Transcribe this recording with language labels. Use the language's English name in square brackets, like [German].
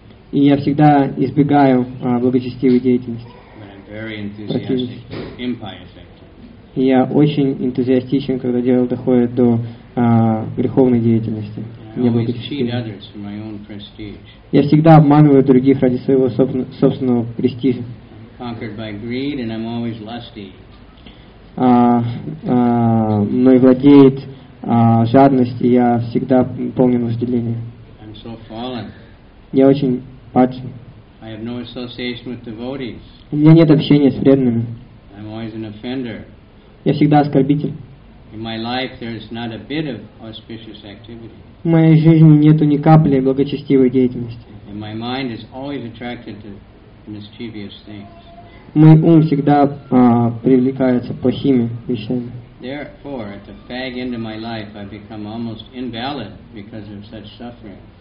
[Russian] И я всегда избегаю благочестивой деятельности. [English] But I'm very enthusiastic to impious activities. [Russian] Я очень энтузиастичен, когда дело доходит до греховной деятельности. [English] And I always cheat others for my own prestige. [Russian] Я всегда обманываю других ради своего собственного престижа. [English] Conquered by greed, and I'm always lusty. [Russian] Мной владеет жадность, и я всегда полон вожделения. [English] I'm so fallen. [Russian] Я очень падший. [English] I have no association with devotees. [Russian] У меня нет общения с преданными. [English] I'm always an offender. [Russian] Я всегда оскорбитель. [English] In my life, there's not a bit of auspicious activity. [Russian] В моей жизни нету ни капли благочестивой деятельности. [English] And my mind is always attracted to mischievous things. [Russian] Мой ум всегда привлекается плохими вещами. [English] Therefore, at the fag end of my life, I become almost invalid because of such suffering.